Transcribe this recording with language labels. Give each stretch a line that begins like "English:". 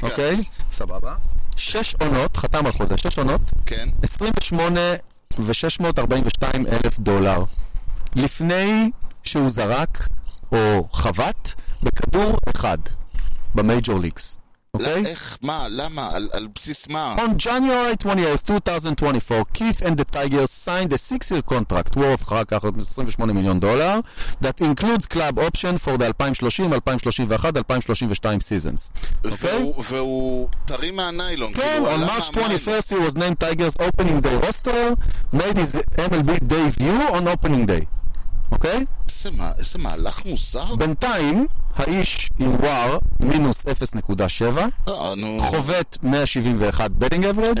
Hebrew: אוקיי, סבבה. 6 עונות, חתם על חוזה, 6 עונות. כן. 28... ו-642 אלף דולר. לפני שהוא זרק או חוות בכדור אחד במייג'ור ליגס. אוקיי? איך, מה, למה, על בסיס מה?
English: On January 20th, 2024, Keith and the Tigers signed a six-year contract worth $28 million that includes club option for the 2030, 2031, 2032 seasons.
Hebrew: Okay? והוא תרים מהניילון.
English: כן, on March 21st, he was named Tigers opening day roster, made his MLB debut on opening day.
Hebrew: אוקיי? איזה מהלך מוזר? בינתיים, האיש עם וואר מינוס 0.7, חובט 171 בטינג אברג'.